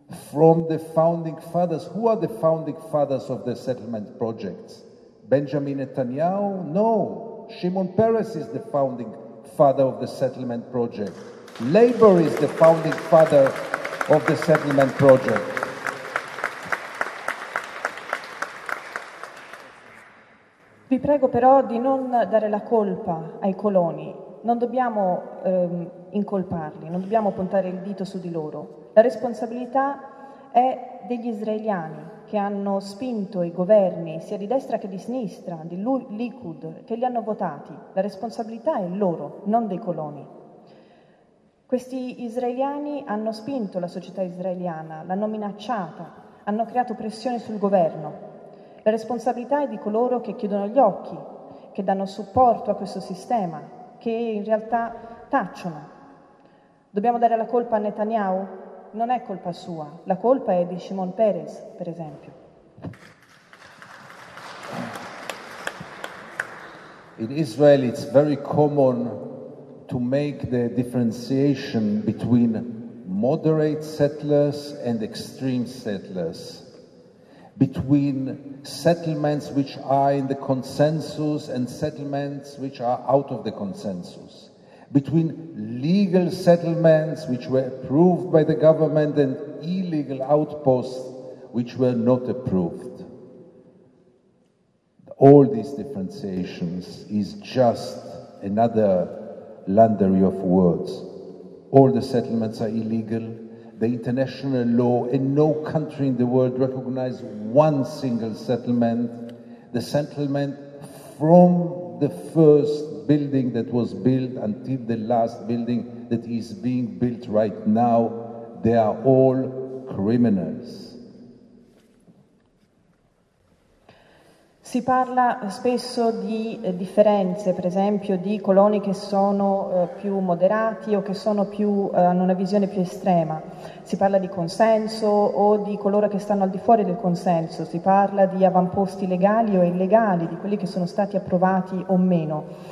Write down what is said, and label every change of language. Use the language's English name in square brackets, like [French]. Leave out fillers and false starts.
[English] From the founding fathers. Who are the founding fathers of the settlement projects? Benjamin Netanyahu? No. Shimon Peres is the founding father of the settlement project. Labor is the founding father of the settlement project. [Italian] Vi prego però di non dare la colpa ai coloni. Non dobbiamo incolparli, non dobbiamo puntare il dito su di loro. La responsabilità è degli israeliani che hanno spinto i governi sia di destra che di sinistra, di Likud, che li hanno votati. La responsabilità è loro, non dei coloni. Questi israeliani hanno spinto la società israeliana, l'hanno minacciata, hanno creato pressione sul governo. La responsabilità è di coloro che chiudono gli occhi, che danno supporto a questo sistema, che in realtà tacciono. Dobbiamo dare la colpa a Netanyahu? Non è colpa sua, la colpa è di Shimon Peres, per esempio. [English] In Israel it's very common to make the differentiation between moderate settlers and extreme settlers, between settlements which are in the consensus and settlements which are out of the consensus. Between legal settlements which were approved by the government and illegal outposts which were not approved. All these differentiations is just another laundry of words. All the settlements are illegal. The international law, and no country in the world recognizes one single settlement. The settlement from the first building that was built until the last building that is being built right now, they are all criminals. [Italian] Si parla spesso di differenze, per esempio di coloni che sono più moderati o che sono più hanno una visione più estrema. Si parla di consenso o di coloro che stanno al di fuori del consenso. Si parla di avamposti legali o illegali, di quelli che sono stati approvati o meno.